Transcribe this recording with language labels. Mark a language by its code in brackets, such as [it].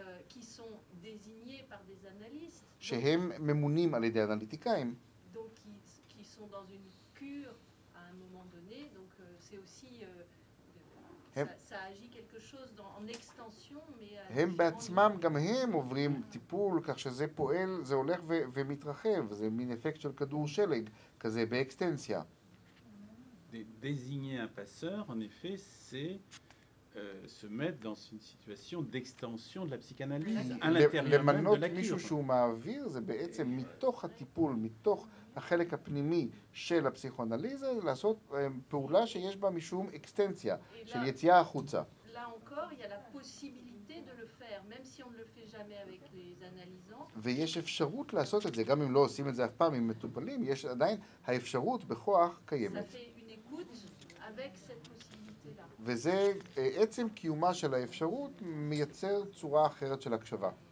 [fr] qui sont désignés par des analystes. [he] שהם ממונים על ידי אנליטיקאים. [fr] Donc qui sont dans une cure à un moment donné, donc c'est aussi ça agit quelque chose dans en extension mais [he] הם בעצמם גם הם עוברים טיפול, כך שזה פועל, זה הולך ומתרחב, זה מין אפקט של כדור שלג כזה באקסטנסיה. [fr] Désigner un passeur en effet c'est se mettre dans une situation d'extension de la psychanalyse à l'intérieur de la cure. [he] מעביר, זה בעצם מתוך הטיפול, מתוך החלק הפנימי של הפסיכואנליזה, לעשות פעולה שיש בה משום אקסטנציה, של יציאה החוצה. [fr] Là encore, il y a la possibilité de le faire, même si on ne le fait jamais avec les analysants. [he] ויש אפשרות לעשות את זה, גם אם לא עושים את זה אף פעם עם מטופלים, יש עדיין האפשרות בכוח קיימת. [fr] Ça fait une écoute avec cette possibilité. [he] וזה עצם קיומה של האפשרות מייצר צורה אחרת של הקשבה.